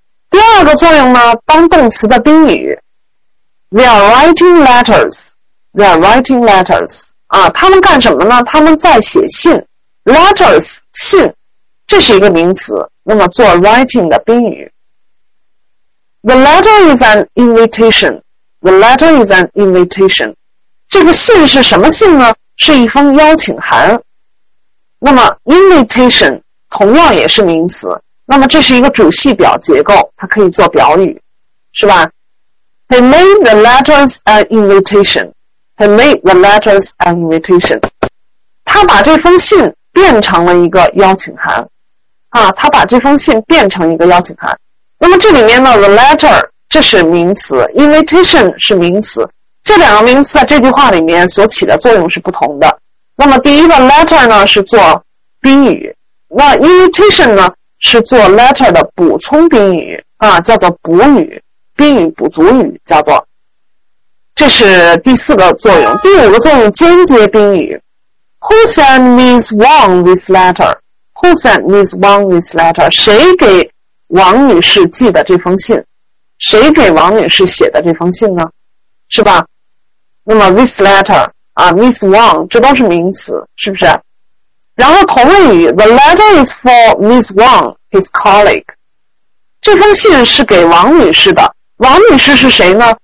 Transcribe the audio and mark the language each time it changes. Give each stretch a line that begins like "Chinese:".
Chinese: 第二个作用呢，当动词的宾语 ，
English: they are writing letters，
Chinese: they are writing letters， 啊，他们干什么呢？他们在写信 ，letters 信，这是一个名词，那么做 writing 的宾语。
English: The letter is an invitation. The letter is an invitation.
Chinese: 这个信是什么信呢？是一封邀请函。那么 invitation 同样也是名词。那么这是一个主系表结构，它可以做表语，是吧？
English: He made the letters an invitation. He made the letters an invitation.
Chinese: 他把这封信变成了一个邀请函。啊，他把这封信变成一个邀请函。那么这里面呢 ，the letter 这是名词 ，invitation 是名词，这两个名词在这句话里面所起的作用是不同的。那么第一个 letter 呢是做宾语，那 invitation 呢是做 letter 的补充宾语啊，叫做补语，宾语补足语叫做。这是第四个作用，第五个作用间接宾语 ，
English: Who sent Miss Wang this letter? Who sent Miss Wang this letter?
Chinese: 谁给王女士寄的这封信，谁给王女士写的这封信呢？是吧？那么 this letter 啊 ，Miss Wang 这都是名词，是不是？然后同位语
English: ，the letter is for Miss Wang, his colleague。
Chinese: 这封信是给王女士的，王女士是谁呢？